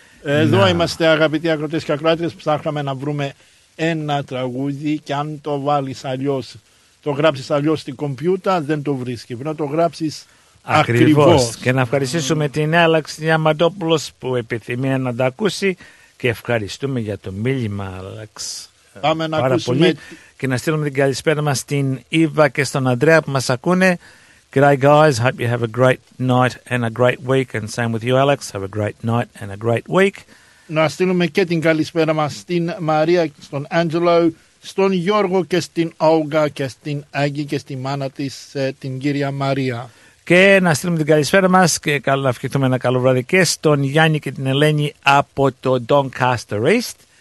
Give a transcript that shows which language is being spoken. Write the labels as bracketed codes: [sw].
[el] Εδώ να είμαστε, αγαπητοί ακροτές και ακροάτες. Ψάχναμε να βρούμε ένα τραγούδι και αν το βάλεις αλλιώς, το γράψεις αλλιώς στην κομπιούτα, δεν το βρίσκει. Πρέπει να το γράψεις ακριβώς. Και να ευχαριστήσουμε την Άλεξ Διαμαντόπουλος που επιθυμεί να τα ακούσει και ευχαριστούμε για το μίλημα, Άλεξ. Πάμε να ακούσουμε. Πολύ. Και να στείλουμε την καλησπέρα μας στην Ήβα και στον Ανδρέα που μας ακούνε. [en] G'day guys, hope you have a great night and a great week. And same with you, Alex, have a great night and a great week. [el] Να στείλουμε και την καλησπέρα μας στην Μαρία, στον Άντζελο, στον Γιώργο και στην Όγκα και στην Άγγι και στη μάνα της, την κυρία Μαρία. Και να στείλουμε την καλησπέρα μας και καλό να ευχηθούμε ένα καλό βράδυ και στον Γιάννη και την Ελένη από το Doncaster East.